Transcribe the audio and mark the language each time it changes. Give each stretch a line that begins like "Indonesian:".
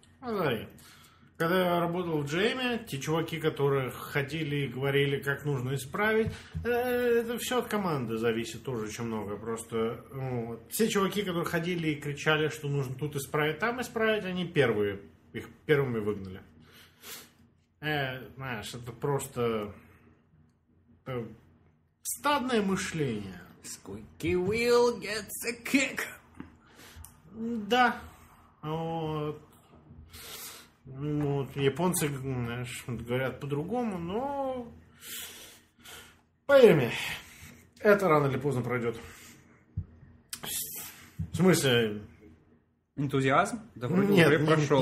Russian: Смотри, когда я работал в Джейме, те чуваки, которые ходили и говорили, как нужно исправить, это все от команды зависит тоже очень много. Просто вот, все чуваки, которые ходили и кричали, что нужно тут исправить, там исправить, они первые, их первыми выгнали. Знаешь, это просто стадное мышление.
English: Squeaky wheel gets a kick.
Russian: Да. Вот. Ну, вот, японцы, знаешь, говорят по-другому, но поверь, это рано или поздно пройдет. В смысле? Энтузиазм? Да вроде уже прошел.